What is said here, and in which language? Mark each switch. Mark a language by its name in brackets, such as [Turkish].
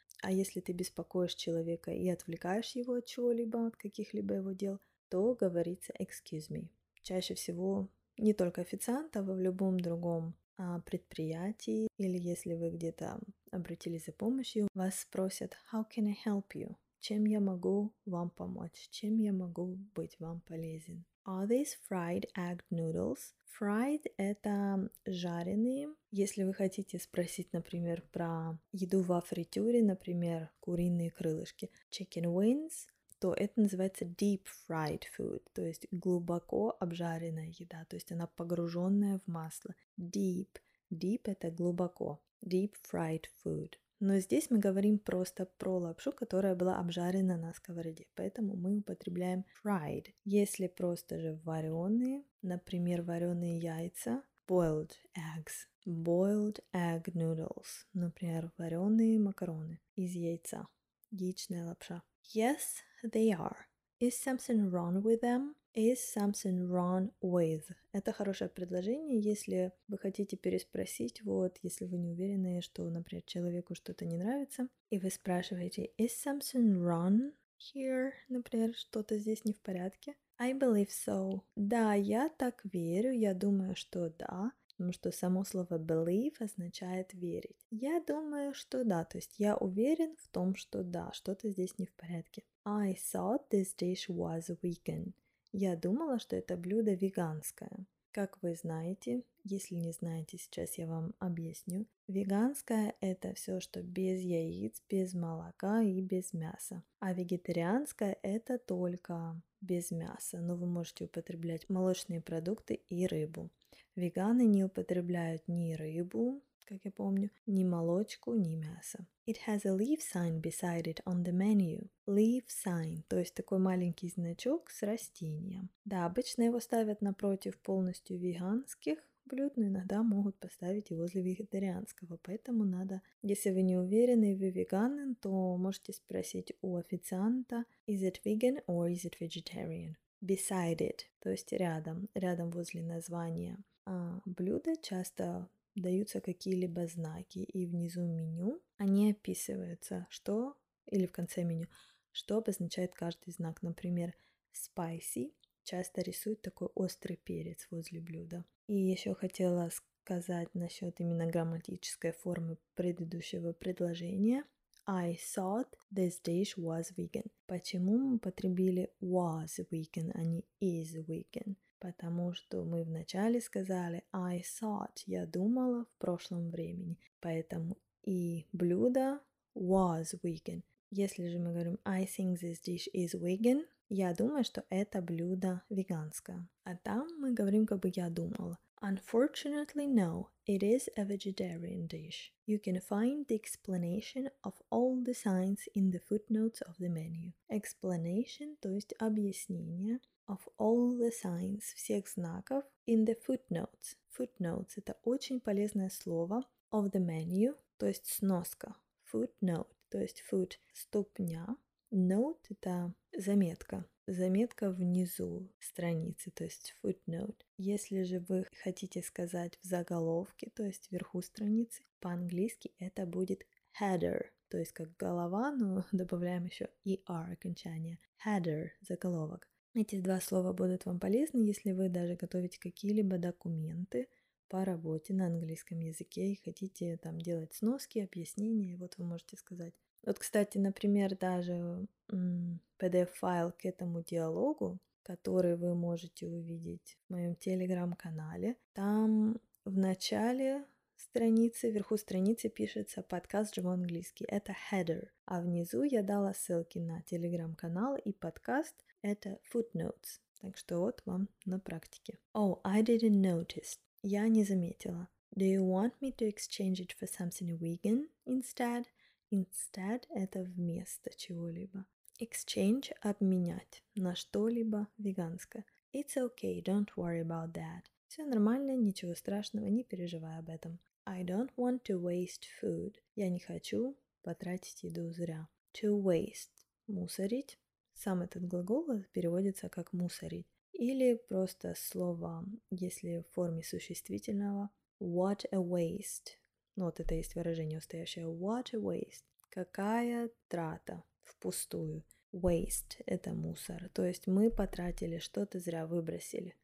[Russian] А если ты беспокоишь человека и отвлекаешь его от чего-либо, от каких-либо его дел, то говорится [English] excuse me. [Russian] Чаще всего не только официанта, а в любом другом предприятии, или если вы где-то обратились за помощью, вас спросят [English] how can I help you? [Russian] Чем я могу вам помочь? Чем я могу быть вам полезен? [English] Are these fried egg noodles? [Russian] Fried — это жареные. Если вы хотите спросить, например, про еду во фритюре, например, куриные крылышки, [English] chicken wings, [Russian] то это называется [English] deep fried food, [Russian] то есть глубоко обжаренная еда, то есть она погруженная в масло. [English] Deep. [Russian] Deep — это глубоко. [English] Deep fried food. [Russian] Но здесь мы говорим просто про лапшу, которая была обжарена на сковороде. Поэтому мы употребляем fried. Если просто же вареные, например, вареные яйца, [English] boiled eggs, boiled egg noodles, [Russian] например, вареные макароны из яйца, яичная лапша. [English] Yes, they are. Is something wrong with them? Is something wrong with? [Russian] Это хорошее предложение, если вы хотите переспросить, вот, если вы не уверены, что, например, человеку что-то не нравится, и вы спрашиваете, [English] is something wrong here? [Russian] Например, что-то здесь не в порядке. [English] I believe so. [Russian] Да, я так верю, я думаю, что да, потому что само слово believe означает верить. Я думаю, что да, то есть я уверен в том, что да, что-то здесь не в порядке. [English] I thought this dish was vegan. [Russian] Я думала, что это блюдо веганское. Как вы знаете, если не знаете, сейчас я вам объясню. Веганское – это все, что без яиц, без молока и без мяса. А вегетарианское – это только без мяса, но вы можете употреблять молочные продукты и рыбу. Веганы не употребляют ни рыбу, как я помню, ни молочку, ни мясо. [English] It has a leaf sign beside it on the menu. Leaf sign, [Russian] то есть такой маленький значок с растением. Да, обычно его ставят напротив полностью веганских блюд, но иногда могут поставить и возле вегетарианского. Поэтому надо, если вы не уверены, вы веганы, то можете спросить у официанта [English] Is it vegan or is it vegetarian? Beside it, [Russian] то есть рядом, рядом возле названия. А блюда часто даются какие-либо знаки, и внизу меню они описываются, что, или в конце меню, что обозначает каждый знак. Например, spicy часто рисует такой острый перец возле блюда. И еще хотела сказать насчет именно грамматической формы предыдущего предложения. [English] I thought this dish was vegan. [Russian] Почему мы употребили [English] was vegan, [Russian] а не [English] is vegan? [Russian] Потому что мы вначале сказали [English] I thought, [Russian] я думала в прошлом времени. Поэтому и блюдо [English] was vegan. [Russian] Если же мы говорим [English] I think this dish is vegan, [Russian] я думаю, что это блюдо веганское. А там мы говорим как бы я думала. [English] Unfortunately, no, it is a vegetarian dish. You can find the explanation of all the signs in the footnotes of the menu. Explanation, [Russian] то есть объяснение, [English] of all the signs, [Russian] всех знаков, [English] in the footnotes. [Russian] Footnotes – это очень полезное слово [English] of the menu, [Russian] то есть сноска. Footnote, то есть foot – ступня. Note – это заметка. Заметка внизу страницы, то есть footnote. Если же вы хотите сказать в заголовке, то есть вверху страницы, по-английски это будет header, то есть как голова, но добавляем еще er окончание. Header – заголовок. Эти два слова будут вам полезны, если вы даже готовите какие-либо документы по работе на английском языке и хотите там делать сноски, объяснения, вот вы можете сказать. Вот, кстати, например, даже PDF-файл к этому диалогу, который вы можете увидеть в моем телеграм-канале, там в начале страницы, вверху страницы пишется «Подкаст живой английский». Это header. А внизу я дала ссылки на телеграм-канал и подкаст. Это footnotes. Так что вот вам на практике. [English] Oh, I didn't notice. [Russian] Я не заметила. [English] Do you want me to exchange it for something vegan instead? [Russian] Instead – это вместо чего-либо. Exchange – обменять на что-либо веганское. [English] It's okay, don't worry about that. [Russian] Все нормально, ничего страшного, не переживай об этом. [English] I don't want to waste food. [Russian] Я не хочу потратить еду зря. [English] To waste – мусорить. [Russian] Сам этот глагол переводится как мусорить. Или просто слово, если в форме существительного. [English] What a waste. [Russian] Ну вот это есть выражение устоящее. [English] What a waste. [Russian] Какая трата впустую. Waste – это мусор. То есть мы потратили что-то зря, выбросили.